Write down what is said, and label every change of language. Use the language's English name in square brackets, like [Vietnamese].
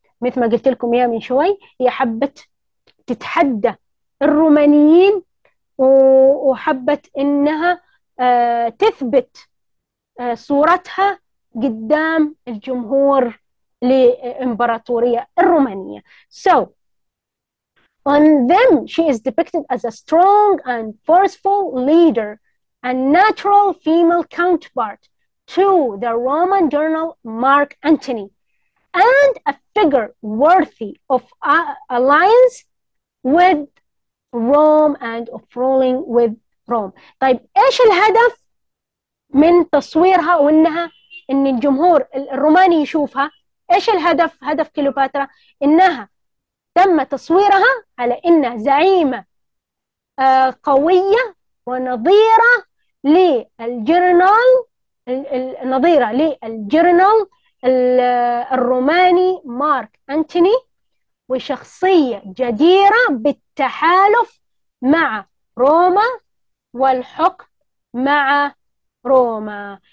[Arabic] مثل ما قلت لكم إياها من شوي، هي حبت تتحدى الرومانيين وحبت إنها تثبت صورتها قدام الجمهور للإمبراطورية الرومانية. [English] So, on them she is depicted as a strong and forceful leader, a natural female counterpart to the Roman general Mark Antony, and a figure worthy of alliance with Rome and of ruling with Rome. [Arabic] طيب إيش الهدف من تصويرها وإنها إن الجمهور الروماني يشوفها؟ إيش الهدف، هدف كليوباترا؟ إنها تم تصويرها على إنها زعيمة قوية ونظيرة للجرنال، نظيرة للجرنال الروماني مارك أنتوني، وشخصية جديرة بالتحالف مع روما والحكم مع روما.